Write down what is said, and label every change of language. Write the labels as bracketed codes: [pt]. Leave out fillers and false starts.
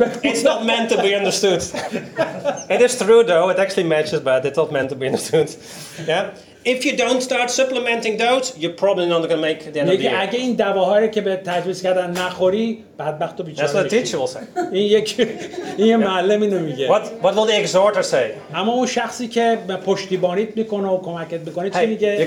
[en] It's not meant to be understood. It is true, though. It actually matches, but it's not meant to be understood. Yeah. If you don't start supplementing those, you're probably not going to make the end of the year. [fa] اگه این دواهایی رو که به تجویز کردن نخوری، بدبخت و بیچاره. [en] That's what the teacher will say. [fa] این یه معلم اینو میگه. [en] What will the exhorter say? [fa] اما اون شخصی که پشتیبانیت میکنه و کمکت میکنه چی میگه؟